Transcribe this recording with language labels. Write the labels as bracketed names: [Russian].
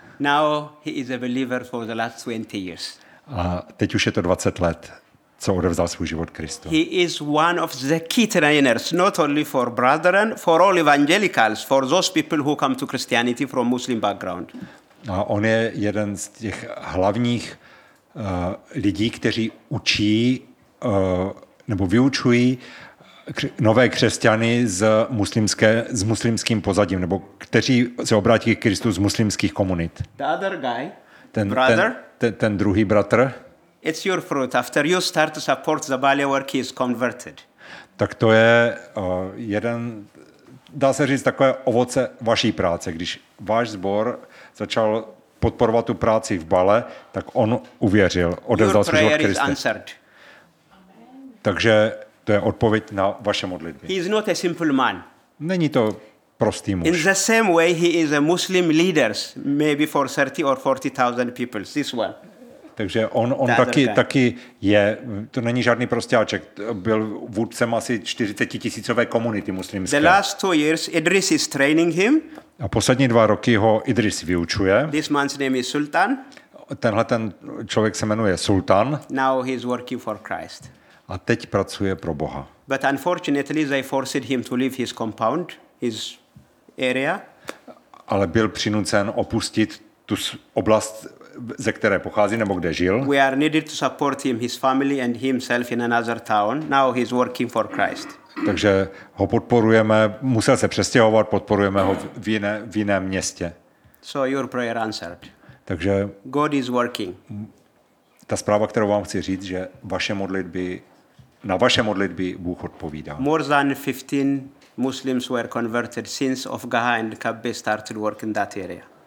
[English] Now he is a believer for the last 20 years. [Czech] A teď už je to 20 let, co odevzdal svůj život Kristu. [English] He is one of the key trainers, not only for brethren, for all evangelicals, for those people who come to Christianity from Muslim background. [Czech] A on je jeden z těch hlavních lidí, kteří učí nebo vyučují nové křesťany s muslimským pozadím, nebo kteří se obrátí k Kristu z muslimských komunit. [English] The other guy, brother. [Czech] Ten druhý bratr. [English] It's your fruit. After you start to support the Bali work, he is converted. [Czech] Tak to je jeden, dá se říct, takové ovoce vaší práce. Když váš sbor začal podporovat tu práci v Bale, tak on uvěřil, odevzdal svůj život Kriste. Takže to je odpověď na vaše modlitby. [English] He is not a simple man. [Czech] Není to prostý muž. [English] In the same way, he is a Muslim leader, maybe for 30 or 40,000 people, this one. [Czech] Takže on taky je, to není žádný prostěáček, byl vůdcem asi 40 tisícové komunity muslimské. [English] The last 2 years, Idris is training him. [Czech] A poslední 2 roky ho Idris vyučuje. [English] This man's name is Sultan. [Czech] Tenhle ten člověk se jmenuje Sultan. [English] Now he's working for Christ. [Czech] A teď pracuje pro Boha. [English] But unfortunately, they forced him to leave his compound, his area. [Czech] Ale byl přinucen opustit tu oblast, ze které pochází nebo kde žil. [English] We are needed to support him, his family and himself in another town. Now he's working for Christ. [Czech] Takže ho podporujeme, musel se přestěhovat, podporujeme ho v jiném městě. [English] So your prayer answered. [Czech] Takže [English] God is working. [Czech] Ta zpráva, kterou vám chci říct, že vaše modlitby, na vaše modlitby Bůh odpovídá. [English] More than 15 Muslims were converted since of Gaha and Kabbe started work in that area.